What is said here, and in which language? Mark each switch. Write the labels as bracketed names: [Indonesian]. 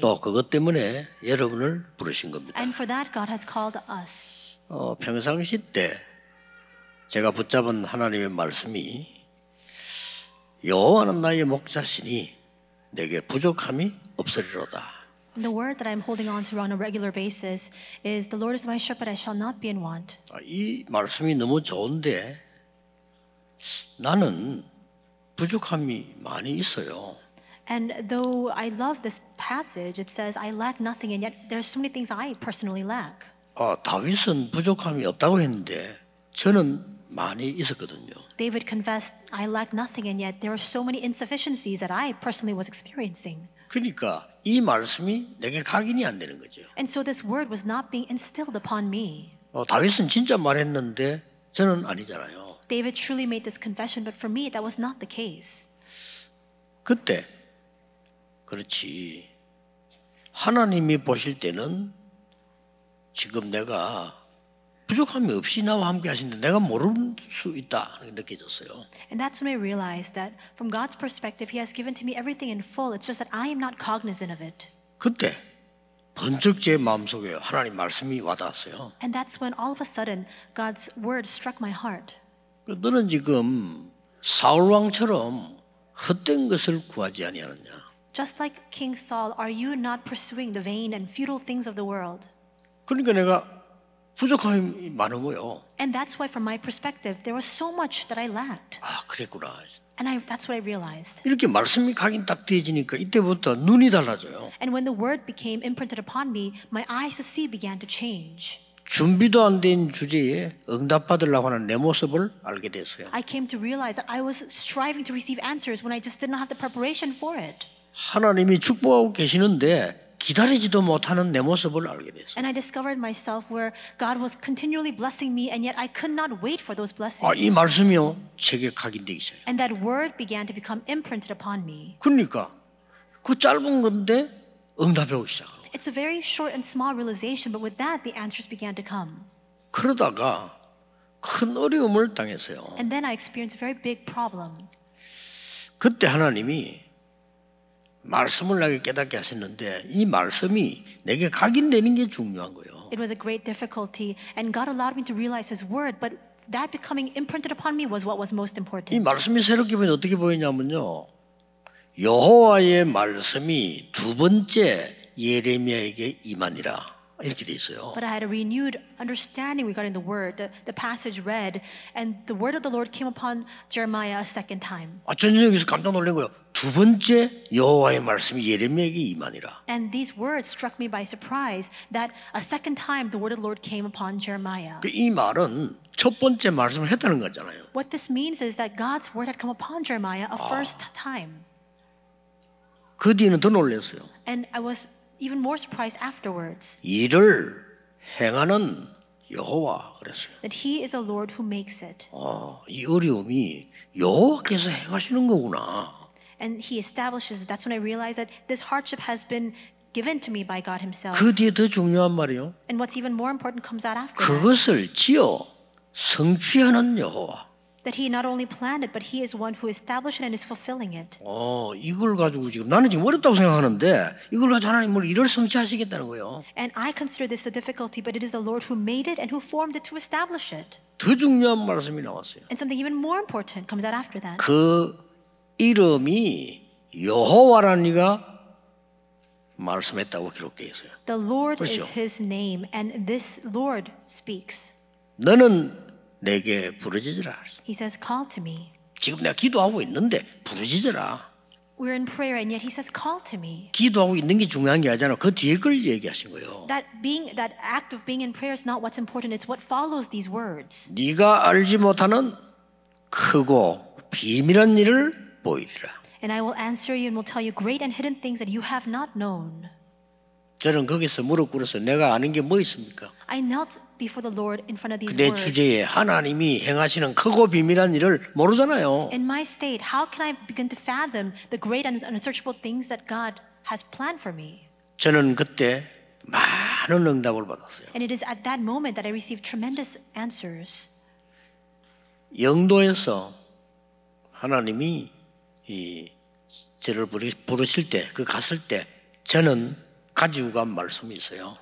[Korean] 또 그것 때문에 여러분을 부르신 겁니다. [English] And for that, God has called us. [Korean] 평상시 때 제가 붙잡은 하나님의 말씀이 여호와는 나의 목자시니 내게 부족함이 없으리로다. [English] The word that I'm holding on to on a regular basis is, "The Lord is my shepherd; I shall not be in want." [Korean] 이 말씀이 너무 좋은데 나는 부족함이 많이 있어요. [English] And though I love this passage, it says, "I lack nothing," and yet there are so many things I personally lack. [Korean] 다윗은 부족함이 없다고 했는데 저는 많이 있었거든요. [English] David confessed, "I lack nothing," and yet there are so many insufficiencies that I personally was experiencing. [Korean] 그러니까 이 말씀이 내게 각인이 안 되는 거죠. [English] And so this word was not being instilled upon me. [Korean] 다윗은 진짜 말했는데 저는 아니잖아요. [English] David truly made this confession, but for me that was not the case. [Korean] 그때 그렇지. 하나님이 보실 때는 지금 내가 부족함이 없이 나와 함께 하시는데 내가 모를 수 있다 느껴졌어요. [English] And that's when I realized that from God's perspective, He has given to me everything in full. It's just that I am not cognizant of it. [Korean] 그때 번쩍 제 마음속에 하나님 말씀이 와닿았어요. [English] And that's when all of a sudden God's word struck my heart. [Korean] 너는 지금 사울 왕처럼 헛된 것을 구하지 아니하느냐? [English] Just like King Saul, are you not pursuing the vain and futile things of the world? [Korean] 그러니까 내가 부족함이 많은 거요. [English] And that's why, from my perspective, there was so much that I lacked. [Korean] 아, 그랬구나. [English] And that's what I realized. [Korean] 이렇게 말씀이 각인 딱 되어지니까 이때부터 눈이 달라져요. [English] And when the word became imprinted upon me, my eyes to see began to change. [Korean] 준비도 안 된 주제에 응답 받으려고 하는 내 모습을 알게 됐어요. [English] I came to realize that I was striving to receive answers when I just didn't have the preparation for it. [Korean] 하나님이 축복하고 계시는데 기다리지도 못하는 내 모습을 알게 됐어. [English] And I discovered myself where God was continually blessing me, and yet I could not wait for those blessings. [Korean] 이 말씀이요, 제게 각인되기 시작. [English] And that word began to become imprinted upon me. [Korean] 그러니까 그 짧은 건데 응답이 오기 시작. [English] It's a very short and small realization, but with that, the answers began to come. [Korean] 그러다가 큰 어려움을 당했어요. [English] And then I experienced a very big problem. [Korean] 그때 하나님이 말씀을 나게 깨닫게 하셨는데 이 말씀이 내게 각인되는 게 중요한 거예요. [English] It was a great difficulty and God allowed me to realize his word, but that becoming imprinted upon me was what was most important. [Korean] 이 말씀이 새롭게 보니 어떻게 보이냐면요. 여호와의 말씀이 두 번째 예레미야에게 임하니라. 이렇게 돼 있어요. [English] But I had a renewed understanding regarding the word. The passage read, and the word of the Lord came upon Jeremiah a second time. [Korean] 아, 저녁에서 깜짝 놀란 거예요. 두 번째 여호와의 말씀이 예레미야에게 임하니라. [English] And these words struck me by surprise that a second time the word of the Lord came upon Jeremiah. [Korean] 그 이 말은 첫 번째 말씀을 했다는 거잖아요. [English] What this means is that God's word had come upon Jeremiah a first time. [Korean] 그 뒤는 더 놀랐어요. [English] And I was even more surprised afterwards. [Korean] 일을 행하는 여호와 그랬어요. [English] That he is a Lord who makes it. [Korean] 이 어려움이 여호와께서 행하시는 거구나. [English] And he establishes it. That's when I realized that this hardship has been given to me by God himself. [Korean] 그 뒤에 더 중요한 말이요. [English] And what's even more important comes out after. [Korean] 그것을 지어 성취하는 여호와. [English] That he not only planned it, but he is one who established it and is fulfilling it. [Korean] 이걸 가지고 지금 나는 지금 어렵다고 생각하는데 이걸 가지고 하나님 뭘 이를 성취하시겠다는 거예요. [English] And I consider this a difficulty, but it is the Lord who made it and who formed it to establish it. [Korean] 더 중요한 말씀이 나왔어요. [English] And something even more important comes out after that. [Korean] 그 이름이 여호와라는 이가 말씀했다고 기록되어 있어요. [English] The Lord [Korean] 그렇죠? [English] is his name, and this Lord speaks. [Korean] 너는 내게 부르짖으라. [English] He says, call to me. [Korean] 지금 내가 기도하고 있는데 부르짖으라. [English] We're in prayer and yet he says, call to me. [Korean] 기도하고 있는 게 중요한 게 아니잖아. 그 뒤에 걸 얘기하신 거예요. [English] That act of being in prayer is not what's important. It's what follows these words. [Korean] 네가 알지 못하는 크고 비밀한 일을 보이리라. [English] And I will answer you and will tell you great and hidden things that you have not known. [Korean] 저는 거기서 무릎 꿇어서 내가 아는 게 뭐 있습니까? [English] I knelt before the Lord in front of these words. [Korean] 내 주제에 하나님이 행하시는 크고 비밀한 일을 모르잖아요. [English] In my state, how can I begin to fathom the great and unsearchable things that God has planned for me? [Korean] 저는 그때 많은 응답을 받았어요. [English] And it is at that moment that I received tremendous answers. [Korean] 영도에서 하나님이 이 저를 부르실 때, 그 갔을 때 저는 가지고 간 말씀이 있어요.